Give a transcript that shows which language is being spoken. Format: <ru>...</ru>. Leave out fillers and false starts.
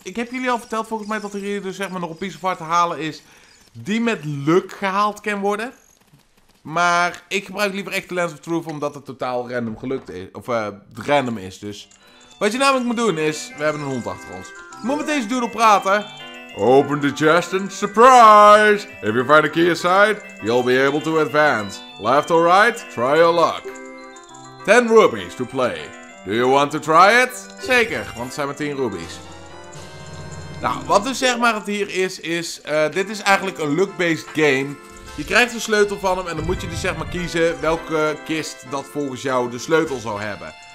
<nl>Ik heb jullie al verteld volgens mij dat er hier dus zeg maar nog een piece of art te halen is. Die met luck gehaald kan worden. Maar ik gebruik liever echt de Lens of Truth omdat het totaal random gelukt is. Of random is dus. Wat je namelijk moet doen is, we hebben een hond achter ons. Ik moet met deze dude op praten.</nl> <en>Open the chest and surprise. If you find a key inside, you'll be able to advance. Left or right, try your luck. 10 rubies to play. Do you want to try it?</en> <nl>Zeker, want het zijn maar 10 rubies. Nou, wat dus zeg maar het hier is, is dit is eigenlijk een luck-based game. Je krijgt een sleutel van hem en dan moet je dus zeg maar kiezen welke kist dat volgens jou de sleutel zou hebben.</nl>